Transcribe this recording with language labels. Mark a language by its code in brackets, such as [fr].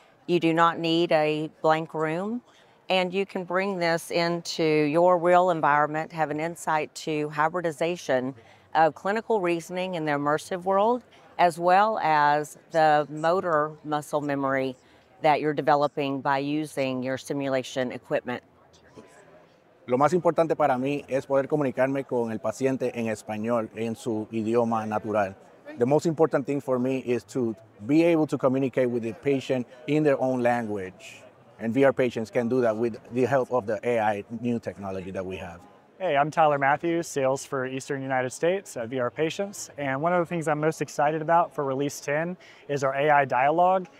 [en] You do not need a blank room. And you can bring this into your real environment, have an insight to hybridization of clinical reasoning in the immersive world, as well as the motor muscle memory that you're developing by using your simulation equipment. [es] Lo más importante para mí es poder comunicarme con el paciente en español, en su idioma natural. [en] The most important thing for me is to be able to communicate with the patient in their own language. And VRPatients can do that with the help of the AI new technology that we have. Hey, I'm Tyler Matthews, sales for Eastern United States at VRPatients. And one of the things I'm most excited about for release 10 is our AI dialogue.